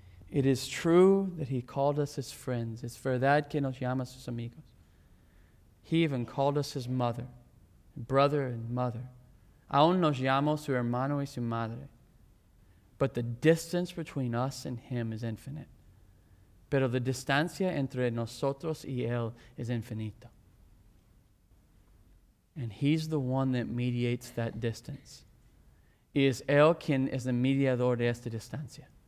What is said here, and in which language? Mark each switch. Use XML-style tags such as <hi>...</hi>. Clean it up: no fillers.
<en>It is true that He called us His friends.</en> <es>Es verdad que nos llama sus amigos.</es> <en>He even called us His mother, brother and mother.</en> <es>Aún nos llamó su hermano y su madre.</es> <en>But the distance between us and Him is infinite.</en> <es>Pero la distancia entre nosotros y Él es infinita.</es> <en>And He's the one that mediates that distance.</en> <es>Y es Él quien es el mediador de esta distancia.</es>